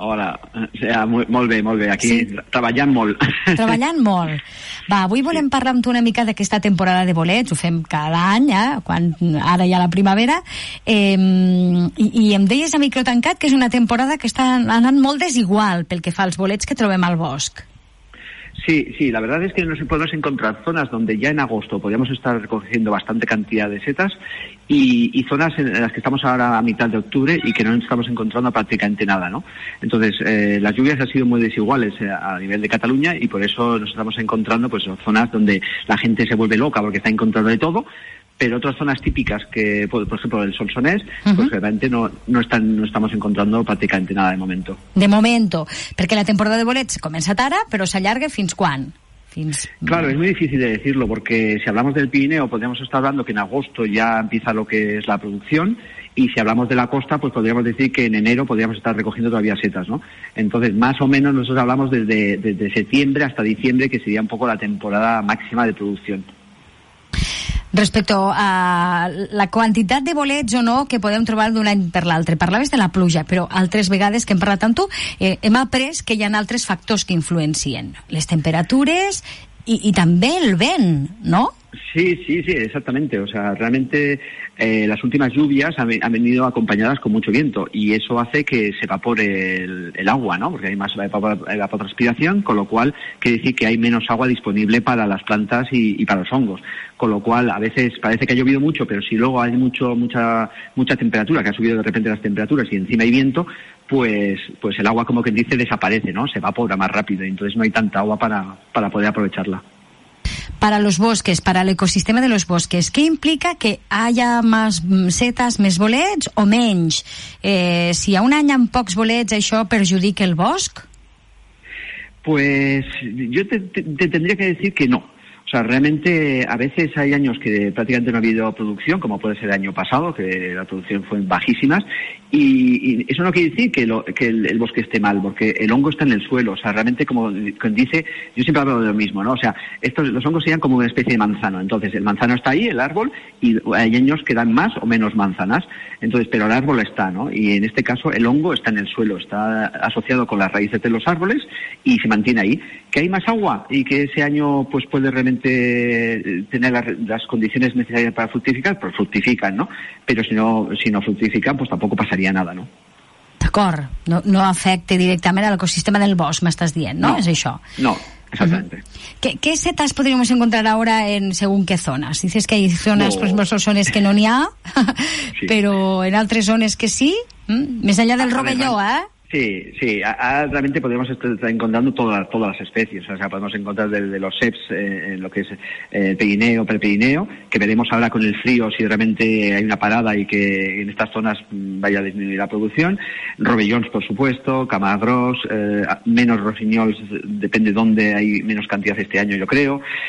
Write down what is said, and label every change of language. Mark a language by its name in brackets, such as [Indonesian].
[Catalan] Hola. Molt bé. Aquí sí. Treballant molt. Va, avui volem parlar amb tu una mica d'aquesta temporada de bolets. Ho fem cada any, quan ara hi ha la primavera. I em deies a micro tancat que és una temporada que està anant molt desigual pel que fa als bolets que trobem al bosc. [Spanish] Sí, la verdad es que nos podemos encontrar zonas donde ya en agosto podríamos estar recogiendo bastante cantidad de setas y zonas en las que estamos ahora a mitad de octubre y que no estamos encontrando prácticamente nada, ¿no? Entonces, las lluvias han sido muy desiguales a nivel de Cataluña y por eso nos estamos encontrando pues zonas donde la gente se vuelve loca porque está encontrando de todo, pero otras zonas típicas que, por ejemplo, el Solsonés, pues realmente no estamos encontrando prácticamente nada de momento. De momento, [Catalan] porque la temporada de bolets comença ara, però s'allarga fins quan? [Spanish] Claro, es muy difícil de decirlo, porque si hablamos del Pirineo podríamos estar hablando que en agosto ya empieza lo que es la producción, y si hablamos de la costa, pues podríamos decir que en enero podríamos estar recogiendo todavía setas, ¿no? Entonces, más o menos nosotros hablamos desde septiembre hasta diciembre, que sería un poco la temporada máxima de producción. [Catalan] Respecto a la quantitat de bolets o no que podem trobar d'un any per l'altre, parlaves de la pluja, però altres vegades que hem parlat amb tu hem après que hi ha altres factors que influencien, les temperatures i també el vent, no? [Spanish] Sí, exactamente. O sea, realmente las últimas lluvias han venido acompañadas con mucho viento y eso hace que se evapore el agua, ¿no? Porque hay más evapotranspiración, con lo cual quiere decir que hay menos agua disponible para las plantas y para los hongos. Con lo cual, a veces parece que ha llovido mucho, pero si luego hay mucha temperatura, que ha subido de repente las temperaturas y encima hay viento, pues el agua, como quien dice, desaparece, ¿no? Se evapora más rápido y entonces no hay tanta agua para poder aprovecharla. Para los bosques, para el ecosistema de los bosques, ¿qué implica que haya más setas, [Catalan] més bolets o menys? Si a un any amb pocs bolets això perjudica el bosc? [Spanish] Pues yo te tendría que decir que no. O sea, realmente a veces hay años que prácticamente no ha habido producción, como puede ser el año pasado, que la producción fue bajísima, y eso no quiere decir que el bosque esté mal, porque el hongo está en el suelo. O sea, realmente, como dice, yo siempre hablo de lo mismo, ¿no? O sea, los hongos serían como una especie de manzano. Entonces, el manzano está ahí, el árbol, y hay años que dan más o menos manzanas. Entonces, pero el árbol está, ¿no? Y en este caso, el hongo está en el suelo, está asociado con las raíces de los árboles y se mantiene ahí. Que hay más agua y que ese año pues puede realmente tener las condiciones necesarias para fructificar, pues fructifican, ¿no? Pero si no fructifican, pues tampoco pasaría nada, ¿no? [Catalan] D'acord, no afecte directament al ecosistema del bosc, m'estàs dient, no? No, és això. [Spanish] No, exactamente. ¿Qué setas podríamos encontrar ahora en según qué zonas? Dices que hay zonas, por ejemplo, Solsonés [Catalan] que no n'hi ha, [Spanish] sí. [Catalan] Pero en altres zones que sí, més allá del rovelló, ¿eh? [Spanish] Sí, realmente podemos estar encontrando todas las especies. O sea, podemos encontrar de los seps en lo que es el Pirineo, prepirineo, que veremos ahora con el frío si realmente hay una parada y que en estas zonas vaya a disminuir la producción. Robellons, por supuesto, camagros, menos rossignols, depende dónde hay menos cantidad este año, yo creo.